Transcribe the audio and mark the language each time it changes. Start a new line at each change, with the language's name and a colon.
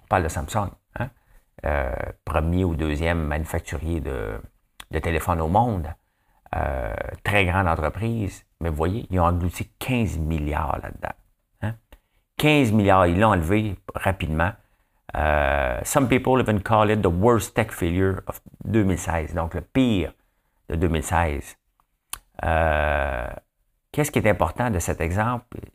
French: On parle de Samsung, hein? Premier ou deuxième manufacturier de téléphones au monde, très grande entreprise, mais vous voyez, ils ont englouti 15 milliards là-dedans. Hein? 15 milliards, ils l'ont enlevé rapidement.
English: Some people even call it the worst tech failure of 2016.
French: Donc, le pire de 2016. Qu'est-ce qui est important de cet exemple?